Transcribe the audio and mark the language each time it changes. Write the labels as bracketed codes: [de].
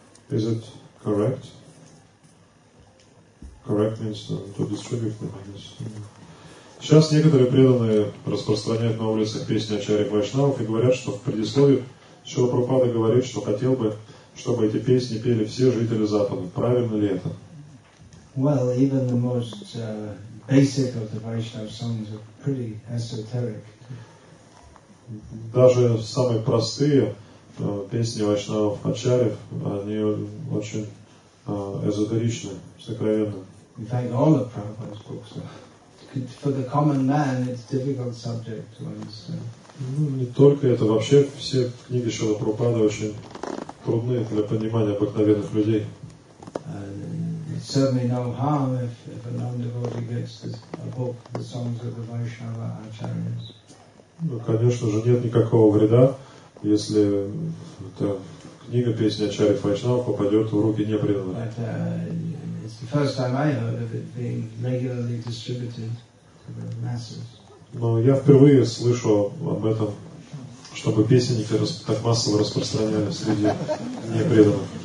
[en] Is it correct? Correct means to distribute them, I guess. [ru] Сейчас некоторые преданные распространяют на улицах песни Ачарьи Вайшнавов и говорят, что в предисловии Шрила Прабхупада говорит, что хотел бы, чтобы эти песни пели все жители Запада. Правильно ли это? [en] Well, even the most basic of the Vaishnava songs are pretty esoteric. [ru] Даже самые простые песни Вайшнавов Ачарьев, они очень эзотеричны, сокровенны. [en] In fact, all of Prabhupada's books are. for the common man, it's a difficult subject to understand. [ru] Ну, не только это, вообще все книги Шрилы Прабхупады очень трудные для понимания обыкновенных людей. [en] It's certainly no harm if a non-devotee gets this, a book, the songs of the Vaishnava Acharyas. [ru] Ну, конечно же, нет никакого вреда, если эта книга песни Ачарьи Вайшнава попадет в руки непреданных. [en] It's the first time I heard of it being regularly distributed to the masses. [ru] Но я впервые слышу об этом, чтобы песенники так массово распространялись среди непреданных.